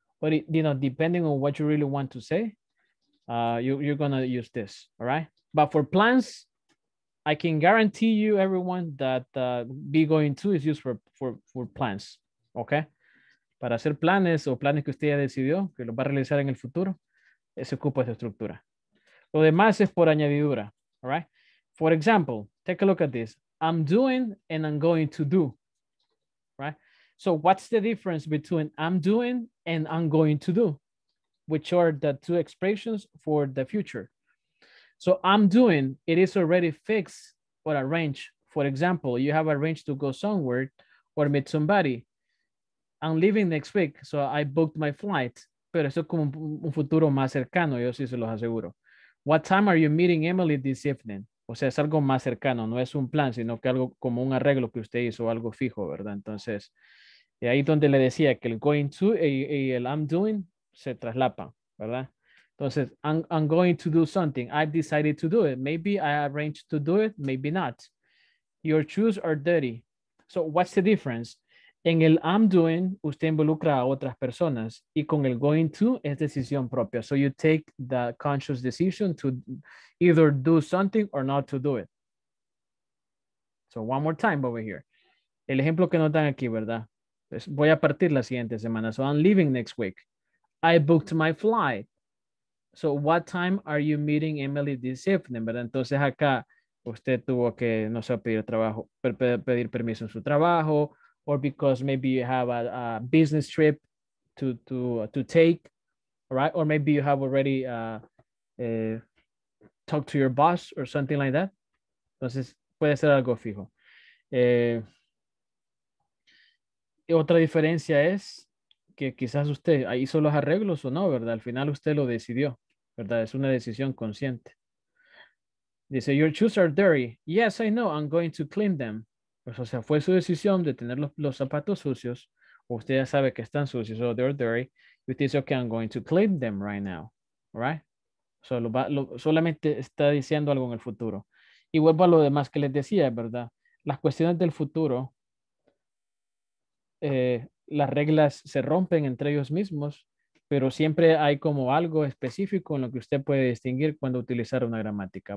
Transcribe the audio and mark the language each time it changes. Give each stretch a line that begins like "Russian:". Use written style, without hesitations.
English: But it, you know, depending on what you really want to say, you're going to use this. All right. But for plans, I can guarantee you, everyone, that be going to is used for plans, okay?
Spanish: Para hacer planes o planes que usted ya decidió, que lo va a realizar en el futuro, se ocupa esa estructura. Lo demás es por añadidura,
English: all right? For example, take a look at this. I'm doing and I'm going to do, right? So what's the difference between I'm doing and I'm going to do, which are the two expressions for the future? So I'm doing, it is already fixed or arranged. For example, you have arranged to go somewhere or meet somebody. I'm leaving next week, so I booked my flight.
Spanish: Pero eso es como un futuro más cercano, yo sí se los aseguro.
English: What time are you meeting Emily this evening?
Spanish: O sea, es algo más cercano, no es un plan, sino que algo como un arreglo que usted hizo, algo fijo, ¿verdad? Entonces, y ahí donde le decía que el going to y el I'm doing se traslapan, ¿verdad?
English: Entonces, I'm going to do something. I've decided to do it. Maybe I arranged to do it. Maybe not. Your shoes are dirty. So what's the difference?
Spanish: En el I'm doing, usted involucra a otras personas. Y con el going to, es decisión propia.
English: So you take the conscious decision to either do something or not to do it. So one more time over here.
Spanish: El ejemplo que nos dan aquí, ¿verdad? Pues voy a partir la siguiente semana.
English: So I'm leaving next week. I booked my flight. So what time are you meeting Emily this evening?
Spanish: ¿Verdad? Entonces acá usted tuvo que, no sé, pedir permiso en su trabajo,
English: or because maybe you have a business trip to take, right? Or maybe you have already talked to your boss or something like that.
Spanish: Entonces puede ser algo fijo. Otra diferencia es que quizás usted hizo los arreglos o no, ¿verdad? Al final usted lo decidió, ¿verdad? Es una decisión consciente. Dice,
English: your shoes are dirty. Yes, I know, I'm going to clean them.
Spanish: Pues, o sea, fue su decisión de tener los zapatos sucios. Usted ya sabe que están sucios,
English: so they're dirty.
Spanish: Y usted dice,
English: okay, I'm going to clean them right now. All right? So,
Spanish: solamente está diciendo algo en el futuro. Y vuelvo a lo demás que les decía, ¿verdad? Las cuestiones del futuro, las reglas se rompen entre ellos mismos, pero siempre hay como algo específico en lo que usted puede distinguir cuando utilizar una gramática.